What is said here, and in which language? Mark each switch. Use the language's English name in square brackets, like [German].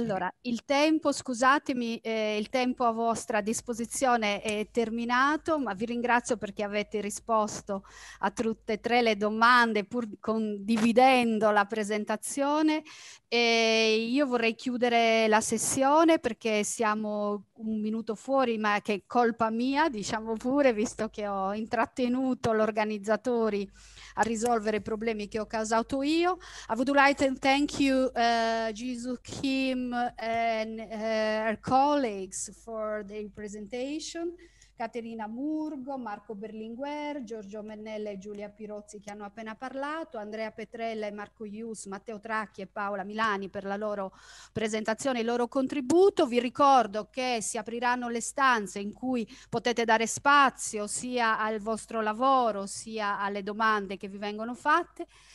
[Italian] Allora, il tempo, scusatemi, il tempo a vostra disposizione è terminato, ma vi ringrazio perché avete risposto a tutte e 3 le domande, pur condividendo la presentazione. E io vorrei chiudere la sessione perché siamo un minuto fuori, ma che è colpa mia, diciamo pure, visto che ho intrattenuto gli organizzatori a risolvere i problemi che ho causato io. [English] I would like to thank you, Jisoo Kim and her colleagues for the presentation. [Italian] Caterina Murgo, Marco Berlinguer, Giorgio Mennella e Giulia Pirozzi che hanno appena parlato, Andrea Petrella e Marco Ius, Matteo Tracchi e Paola Milani per la loro presentazione e il loro contributo. Vi ricordo che si apriranno le stanze in cui potete dare spazio sia al vostro lavoro sia alle domande che vi vengono fatte.